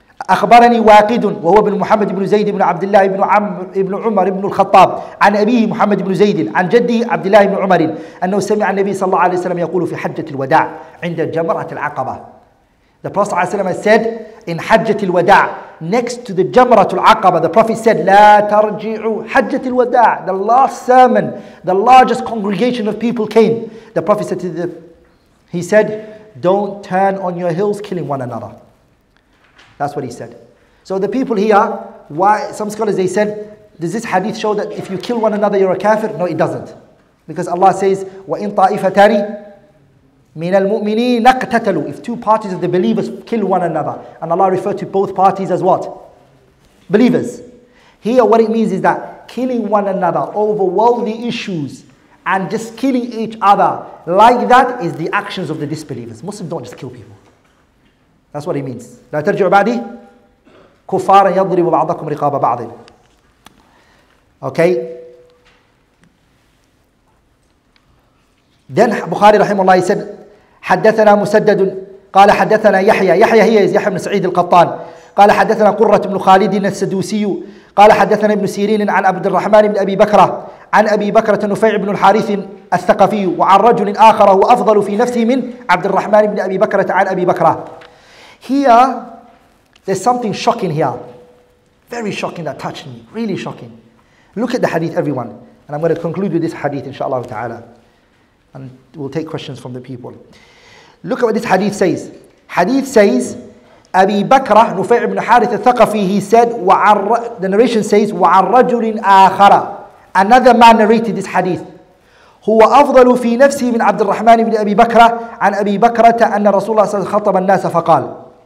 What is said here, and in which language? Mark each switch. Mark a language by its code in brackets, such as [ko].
[ar] أخبرني واقد وهو ابن محمد بن زيد بن عبد الله بن عمر بن عمر بن الخطاب عن أبيه محمد بن زيد عن جده عبد الله بن عمر أنه سمع النبي صلى الله عليه وسلم يقول في حجة الوداع عند جمرة العقبة. [en] The Prophet ﷺ said in [ar] حجة الوداع [en] next to the Jamratul Aqaba, the Prophet said, [ar] لا ترجعوا حجة الوداع. [en] The last sermon, the largest congregation of people came. The Prophet said to them, he said, don't turn on your heels killing one another. That's what he said. So the people here, why? Some scholars, they said, does this hadith show that if you kill one another, you're a kafir? No, it doesn't. Because Allah says, [ar] وَإِن طَائِفَتَانِ مِنَ الْمُؤْمِنِينَ اقْتَتَلُوا. [en] If two parties of the believers kill one another, and Allah referred to both parties as what? Believers. Here, what it means is that killing one another over worldly issues and just killing each other like that is the actions of the disbelievers. Muslims don't just kill people. That's what it means. [ar] لا ترجع بعدي كفارا يضرب بعضكم رقاب بعض. [en] Okay. Then Bukhari rahimahullah, he said, [ar] حدثنا مسدد قال حدثنا يحيى. يحيى هي يحيى بن سعيد القطان. قال حدثنا قرة بن خالد السدوسي قال حدثنا ابن سيرين عن عبد الرحمن بن أبي بكرة عن أبي بكرة نفيع بن الحارث الثقفي وعن رجل آخر هو أفضل في نفسه من عبد الرحمن بن أبي بكرة عن أبي بكرة. [en] Here, there's something shocking here. Very shocking that touched me. Really shocking. Look at the hadith, everyone. And I'm going to conclude with this hadith, inshallah ta'ala. And we'll take questions from the people. Look at what this hadith says. Hadith says, Abi Bakr Nufay' ibn Harith al-Thaqafi, he said, the narration says, [ar] وَعَنْ رَجُلٍ آخَرَ. [en] Another man narrated this hadith. [ar] هو أفضل في نفسه من عبد الرحمن بن أبي بكرة عن أبي بكرة أن رسول الله صلى الله عليه وسلم خطب الناس فقال.